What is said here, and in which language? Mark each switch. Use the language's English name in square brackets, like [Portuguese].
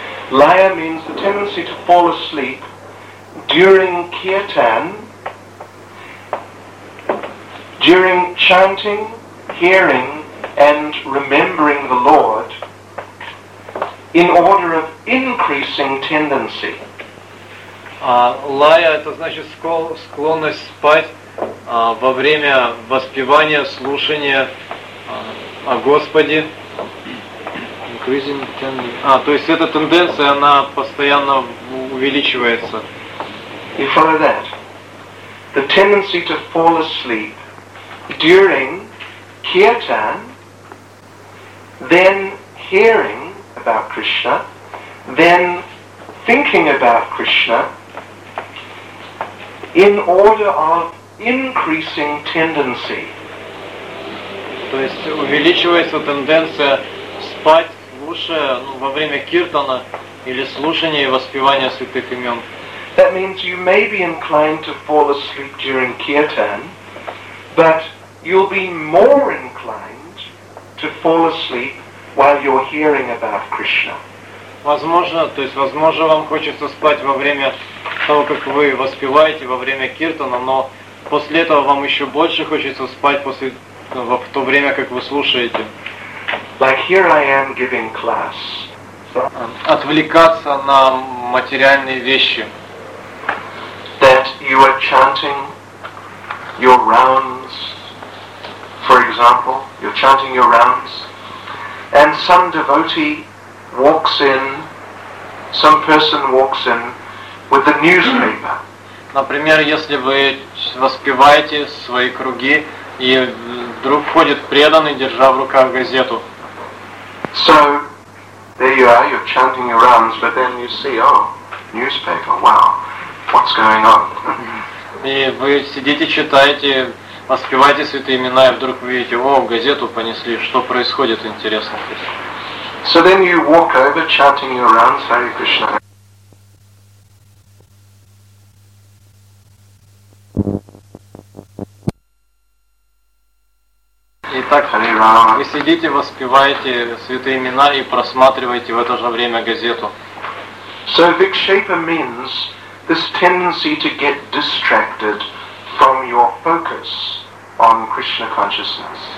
[English] Laya means the tendency to fall asleep during kirtan, during chanting, hearing, and remembering the Lord in order of increasing tendency. [Russian] Laya, это значит склонность спать во время воспевания, слушания о Господе. То есть эта тенденция, она постоянно увеличивается. [English] You follow that? The tendency to fall asleep during kirtan, then hearing about Krishna, then thinking about Krishna, in order of increasing tendency. [Russian] То есть увеличивается тенденция спать, слушая, во время киртана или слушания и воспевания святых имен. [English] That means you may be inclined to fall asleep during kirtan, but you'll be more inclined to fall asleep while you're hearing about Krishna. [Russian] Возможно, вам хочется спать во время того, как вы воспеваете во время киртана, но после этого вам еще больше хочется спать в то время, как вы слушаете. [English] Like here I am giving class. [Russian] Отвлекаться на материальные вещи. [English] That you are chanting your rounds, for example, you're chanting your rounds, and some devotee walks in, some person walks in with the newspaper. [Russian] Например, если вы воспеваете свои круги, и вдруг входит преданный, держа в руках газету. [English] So, there you are, you're chanting your rounds, but then you see, oh, newspaper, wow, what's going on? [Russian] И вы сидите, читаете, воспеваете святые имена, и вдруг вы видите, о, газету понесли, что происходит, интересно. [English] So then you walk over, chanting your rounds, Hare Krishna. [Russian] Итак, вы сидите, воспеваете святые имена и просматриваете в это же время газету. [English] So vikshepa means this tendency to get distracted from your focus on Krishna consciousness.